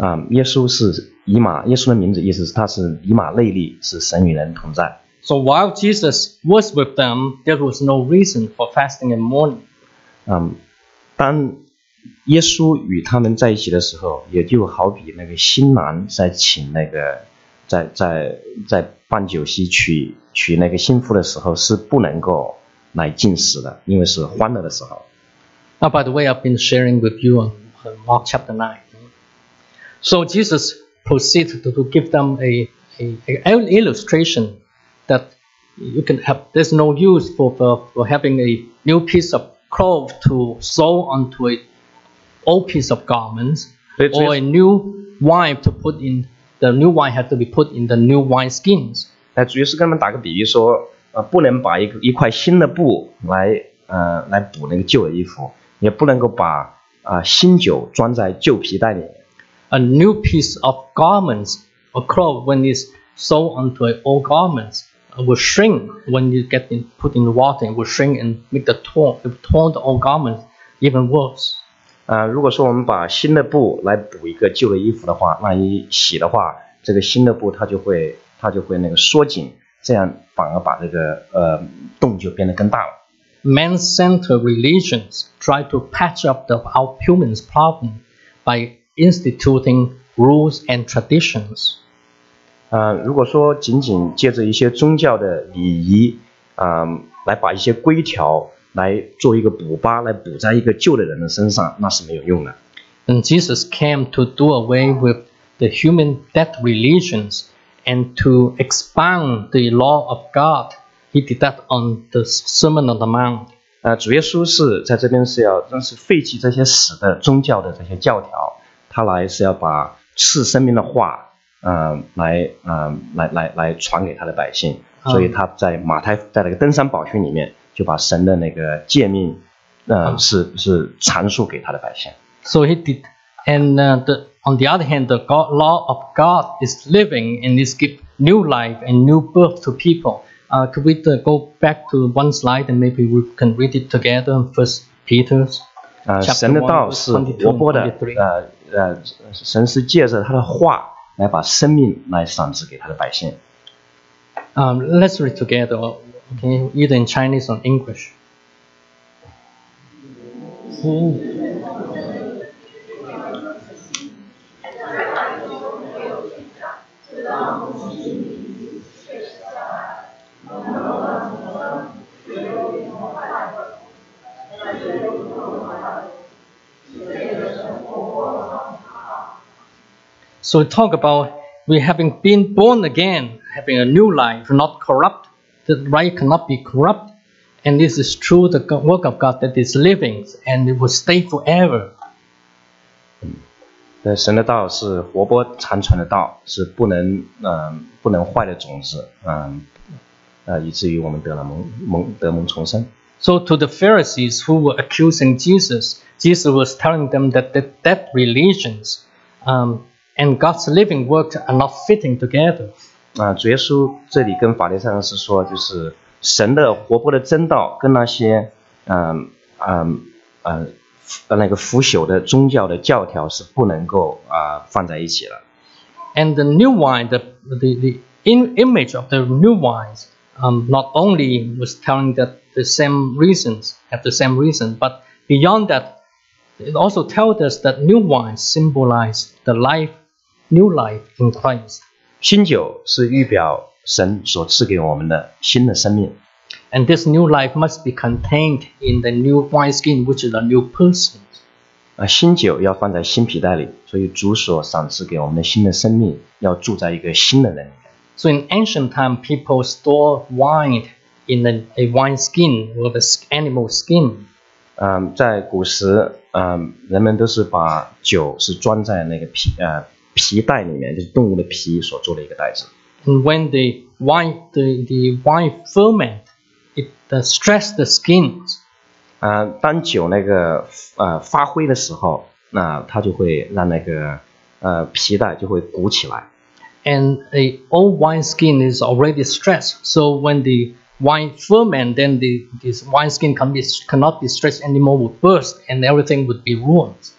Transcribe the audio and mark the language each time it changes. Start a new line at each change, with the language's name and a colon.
Chinese: 耶稣是以马，耶稣的名字意思是他是以马内利，是神与人同在。
English: So while Jesus was with them, there was no reason for fasting and mourning.
Chinese: 当耶稣与他们在一起的时候，也就好比那个新郎在请那个在办酒席娶那个新妇的时候是不能够来进食的，因为是欢乐的时候。
English: Now, by the way, I've been sharing with you on Mark chapter 9. So Jesus proceeded to give them an illustration that you can have. There's no use for having a new piece of cloth to sew onto an old piece of garments, or a new wine to put in. The new wine had to be put in the new wine skins.
Chinese: 主耶稣跟他们打个比喻说，不能把一块新的布来补那个旧的衣服。也不能够把新酒装在旧皮袋里。
English: A new piece of garments or cloth when it's sewn onto an old garment will shrink when you get in, put in the water, it will shrink and make the torn the old garment even worse.
Chinese: 如果说我们把新的布来补一个旧的衣服的话，万一洗的话，这个新的布它就会那个缩紧，这样反而把这个洞就变得更大了。
English: Man-centered religions try to patch up our human's problem by instituting rules and traditions.
Chinese: 如果说仅仅借着一些宗教的礼仪，来把一些规条来做一个补疤，来补在一个旧的人的身上，那是没有用的。
English: And Jesus came to do away with the human dead religions and to expound the law of God. He did that on the Sermon on the Mount.
Chinese: 主耶稣是在这边是要真是废弃这些死的宗教的这些教条，他来是要把赐生命的话，来传给他的百姓。所以他在马太在那个登山宝训里面就把神的那个诫命，是阐述给他的百姓。
English: So he did, and on the other hand, the God, law of God is living and is give new life and new birth to people. Could we go back to one slide and maybe we can read it together? First Peter, chapter 1:22-23.
Chinese: 神是借着他的话来把生命来赏赐给他的百姓。
English: Let's read together, okay? Either in Chinese or English. So we talk about we having been born again, having a new life, not corrupt. The right cannot be corrupt. And this is true, the work of God that is living and it will stay forever.
Chinese: 神的道是活泼长存的道，是不能坏的种子，以至于我们得蒙重生。
English: So to the Pharisees who were accusing Jesus, Jesus was telling them that the dead religions, and God's living works are not fitting together.
Chinese: 主耶稣这里跟法利赛人是说，就是神的活泼的真道跟那些那个腐朽的宗教的教条是不能够放在一起了。
English: And the new wine, the image of the new wine, not only was telling that the same reason, but beyond that, it also tells us that new wine symbolizes the life. New life in Christ.
Chinese: 新酒是预表神所赐给我们的新的生命。
English: And this new life must be contained in the new wine skin, which is a new person.
Chinese: 新酒要放在新皮袋里，所以主所赏赐给我们的新的生命要住在一个新的人里面。
English: So in ancient time, people store wine in a wine skin or the animal skin.
Chinese: 在古时，人们都是把酒是装在那个皮袋里面，就是动物的皮所做的一个袋子。
English: When the wine ferment, it stress the skin.
Chinese: 当酒那个发挥的时候，那它就会让那个皮带就会鼓起来。
English: And a old wine skin is already stressed, so when the wine ferment, then this wine skin cannot be stressed anymore, would burst, and everything would be ruined.